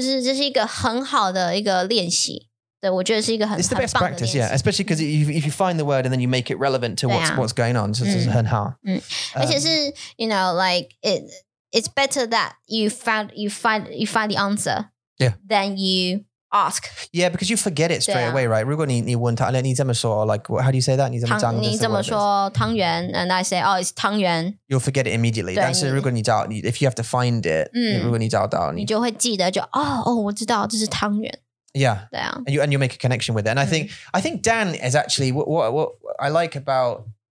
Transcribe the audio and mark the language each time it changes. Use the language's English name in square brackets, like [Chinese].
[Chinese] 就是这是一个很好的一个练习对我觉得是一个很棒的练习 [English] it's the best practice yeah especially because if you find the word and then you make it relevant to what's going on [Chinese] 这、啊、是很好、嗯而且是 [English] you know like it's better that you find the answer yeah than you ask yeah because you forget it straight away right [Chinese] 如果你问他 你怎么说 [English] like how do you say that [Chinese] 你怎么说汤圆 [English] and I say oh it's [Chinese] 汤圆 [English] you'll forget it immediately [Chinese] 但是如果你找 [English] if you have to find it [Chinese] 如果你找到你就会记得就哦我知道这是汤圆 [English] Yeah, [Chinese] 对啊 [English] and you make a connection with it. And I think Dan is actually what I like about.